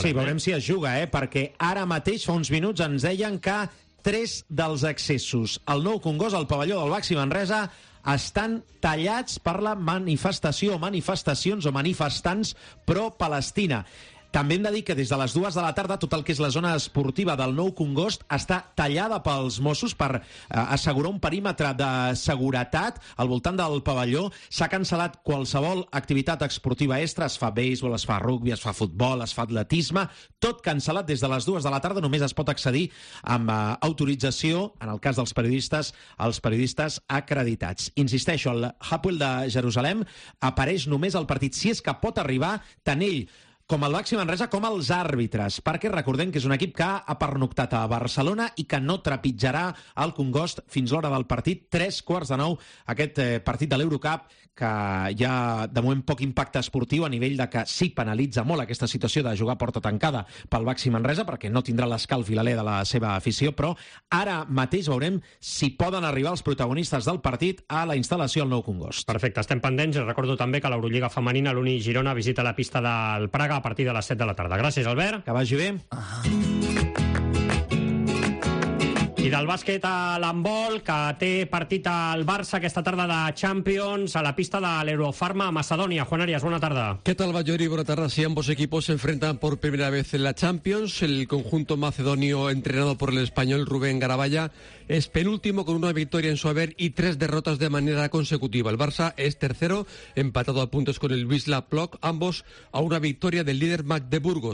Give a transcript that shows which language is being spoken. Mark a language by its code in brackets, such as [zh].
[ca] Sí, veurem si es juga, perquè ara mateix, fa uns minuts, ens deien que 3 dels accessos al Nou Congost, al pavelló del Baxi Manresa, estan tallats per la manifestació, manifestacions o manifestants pro-Palestina. També hem de dir que des de les 2 de la tarda tot el que és la zona esportiva del Nou Congost està tallada pels Mossos per assegurar un perímetre de seguretat al voltant del pavelló. S'ha cancel·lat qualsevol activitat esportiva extra. Es fa béisbol, es fa rugby, es fa futbol, es fa atletisme. Tot cancel·lat des de les 2 de la tarda. Només es pot accedir amb autorització, en el cas dels periodistes, els periodistes acreditats. Insisteixo, el Hapoel de Jerusalem apareix només al partit. Si és que pot arribar, tant ell com el Baxi Manresa, com els àrbitres, perquè recordem que és un equip que ha pernoctat a Barcelona i que no trepitjarà el Congost fins l'hora del partit. 9:15, aquest partit de l'Eurocup, que hi ha de moment poc impacte esportiu a nivell de que sí, penalitza molt aquesta situació de jugar porta tancada pel Baxi Manresa, perquè no tindrà l'escalf i l'alè de la seva afició, però ara mateix veurem si poden arribar els protagonistes del partit a la instal·lació al Nou Congost. Perfecte, estem pendents. Recordo també que l'Eurolliga femenina, l'Uni Girona, visita la pista del Prat a partir de les 7 de la tarda. Gràcies, Albert. Que vagi bé. I del bàsquet a l'handbol, que té partit al Barça aquesta tarda de Champions a la pista de l'Eurofarma a Macedònia. Juan Arias, bona tarda. [es] ¿Qué tal, Bayori? Buena tarde. Si ambos equipos se enfrentan por primera vez en la Champions, el conjunto macedonio entrenado por el español Rubén Garabaya es penúltimo con una victoria en su haber y 3 derrotas de manera consecutiva. El Barça es tercero, empatado a puntos con el Wisla Plock, ambos a una victoria del líder Magdeburgo.